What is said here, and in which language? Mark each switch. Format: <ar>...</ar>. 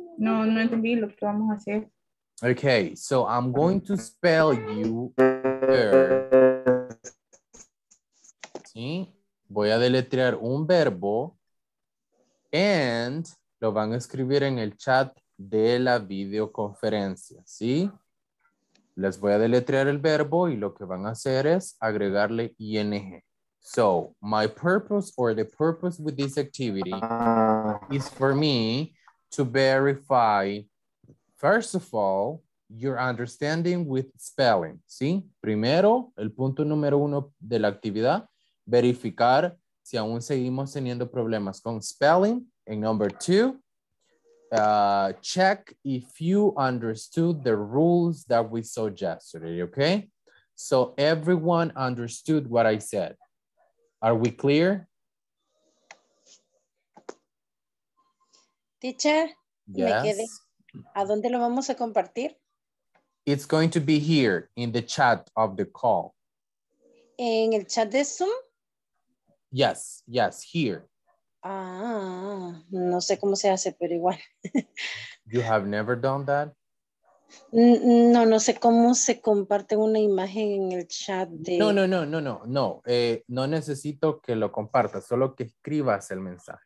<es>No, no entendí lo que vamos a hacer.</es> <en>Okay, so I'm going to spell you verb.</en> <es>¿Sí? Voy a deletrear un verbo and lo van a escribir en el chat de la videoconferencia, ¿sí? Les voy a deletrear el verbo y lo que van a hacer es agregarle ING.</es> <en>So, my purpose or the purpose with this activity is for me to verify, first of all, your understanding with spelling, ¿sí?</en> <es>Primero, el punto número uno de la actividad, verificar si aún seguimos teniendo problemas con spelling.</es> <en>And number two, check if you understood the rules that we saw yesterday, okay? So everyone understood what I said. Are we clear? Teacher,</en> <es>yes. Me quedé. ¿A dónde lo vamos a compartir?</es> <en>It's going to be here in the chat of the call.</en> <es>¿En el chat de Zoom?</es> <en>Yes, yes, here.</en> <es>Ah, no sé cómo se hace, pero igual.</es> <en>You have never done that?</en> <es>No, no sé cómo se comparte una imagen en el chat de... No. No necesito que lo compartas, solo que escribas el mensaje.</es>